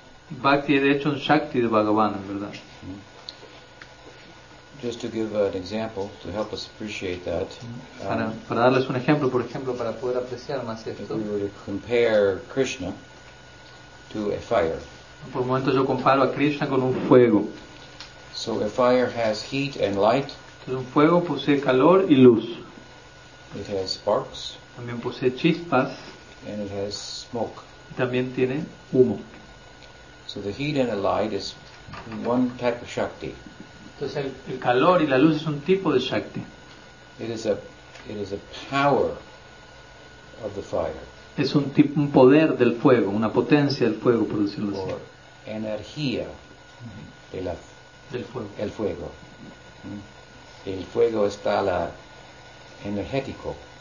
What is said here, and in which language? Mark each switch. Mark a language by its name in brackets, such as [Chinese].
[Spanish] Bhakti es de hecho un shakti de Bhagavan, ¿verdad? [English] Just to give an example to help us appreciate that. [Spanish] Para darles un ejemplo, por ejemplo, para poder apreciar más esto. [English] If we were to compare Krishna to a fire. [Spanish] Por un momento yo comparo a Krishna con un fuego. [English] So a fire has heat and light. [Spanish] Entonces, un fuego posee calor y luz. [English] It has sparks. [Spanish] También posee chispas. [English] And it has smoke. [Spanish] Y también tiene humo. [English] So the heat and the light is one type of shakti. [Spanish] Entonces el calor y la luz es un tipo de shakti. [English] It is a power of the fire. [Spanish] Es un poder del fuego, una potencia del fuego, por decirlo así. Or energía del fuego. El fuego. El fuego está la energético.